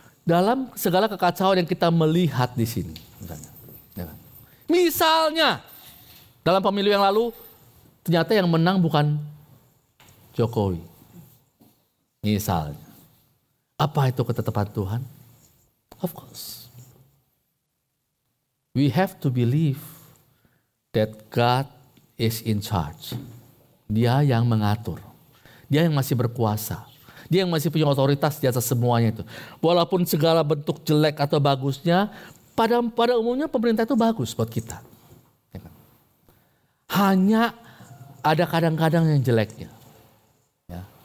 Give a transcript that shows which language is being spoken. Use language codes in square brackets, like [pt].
[id] Dalam segala kekacauan yang kita melihat di sini. Misalnya. Ya. Misalnya dalam pemilu yang lalu, ternyata yang menang bukan Jokowi. Misalnya. Apa itu ketetapan Tuhan? [en] Of course. We have to believe that God is in charge. [id] Dia yang mengatur. Dia yang masih berkuasa. Dia yang masih punya otoritas di atas semuanya itu. Walaupun segala bentuk jelek atau bagusnya, pada umumnya pemerintah itu bagus buat kita. Hanya ada kadang-kadang yang jeleknya. Ya.